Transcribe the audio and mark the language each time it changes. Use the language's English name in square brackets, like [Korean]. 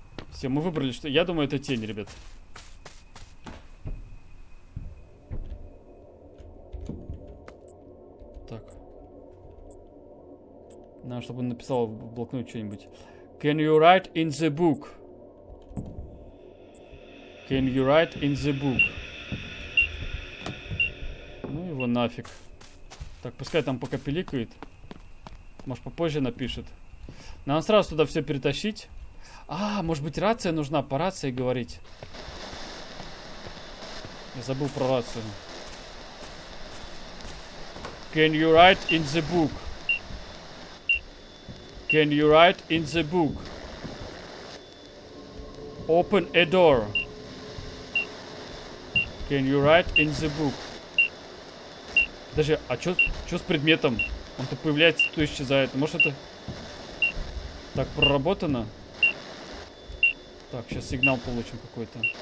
[Russian] Все, мы выбрали, что... Я думаю, это тень, ребят. Так. Надо, чтобы он написал в блокноте что-нибудь. [English] Can you write in the book? Can you write in the book? [Russian] Ну его нафиг. Так, пускай там пока пиликает. Может, попозже напишет. Надо сразу туда все перетащить. А, может быть, рация нужна. По рации говорить. Я забыл про рацию. [English] Can you write in the book? Can you write in the book? Open a door. Can you write in the book? [Russian] Подожди, а что с предметом? Он то появляется, то исчезает. Может это так проработано? Так, сейчас сигнал получим какой-то.